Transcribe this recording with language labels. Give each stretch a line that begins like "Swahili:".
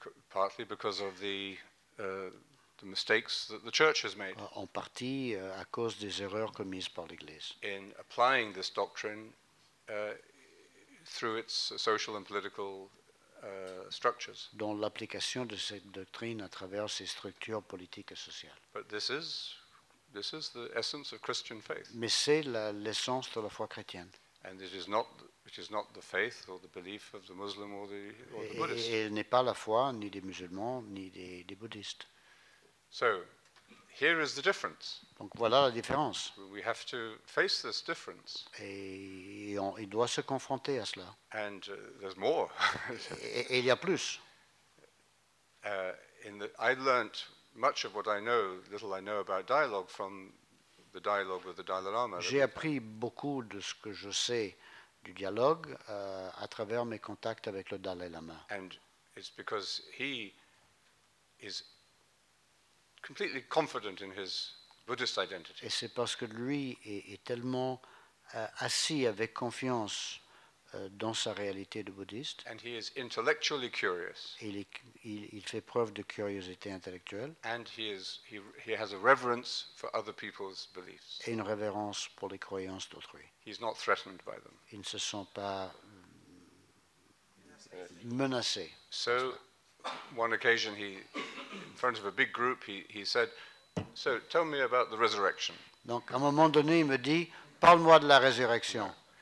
English: Partly because of the mistakes that the church has made.
French: En partie à cause des erreurs commises par l'Église.
English: In applying this doctrine through its social and political structures.
French: Dans l'application de cette doctrine à travers ses structures politiques et sociales.
English: But this is the essence of Christian faith.
French: Mais c'est l'essence de la foi chrétienne.
English: And it is not the faith or the belief of the Muslim or the Buddhist.
French: Et elle n'est pas la foi ni des musulmans ni des bouddhistes.
English: So, here is the difference.
French: Donc voilà la différence.
English: We have to face this difference.
French: Et il doit se confronter à cela.
English: And there's more.
French: et il y a plus.
English: I learned much of what I know, little I know about dialogue from the dialogue with the Dalai Lama.
French: J'ai appris beaucoup de ce que je sais du dialogue à travers mes contacts avec le Dalai Lama.
English: And it's because he is completely confident in his Buddhist identity.
French: Et c'est parce que lui est tellement assis avec confiance dans sa réalité de bouddhiste.
English: And he is intellectually curious.
French: Il fait preuve de curiosité intellectuelle.
English: And he has a reverence for other people's beliefs.
French: Et une révérence pour les croyances d'autrui.
English: He's not threatened by them.
French: Il ne se sent pas menacé.
English: So, one occasion he in front of a big group he said, so tell me about the resurrection.
French: Donc à un moment donné il me dit, parle-moi de la résurrection.